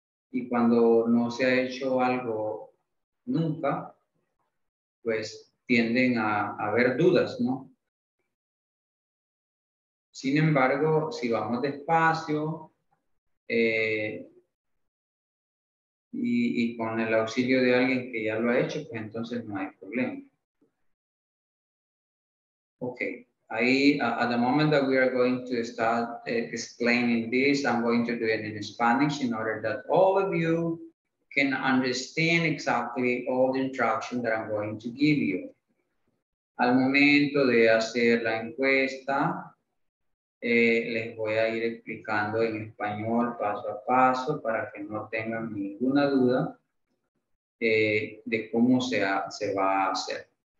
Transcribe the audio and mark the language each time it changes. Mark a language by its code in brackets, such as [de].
[es] Y cuando no se ha hecho algo nunca, pues tienden a haber dudas, ¿no? Sin embargo, si vamos despacio y con el auxilio de alguien que ya lo ha hecho, pues entonces no hay problema. [en] Okay. At the moment that we are going to start explaining this, I'm going to do it in Spanish in order that all of you can understand exactly all the instruction that I'm going to give you. [es] Al momento de hacer la encuesta, les voy a ir explicando en español paso a paso para que no tengan ninguna duda de cómo se va a hacer.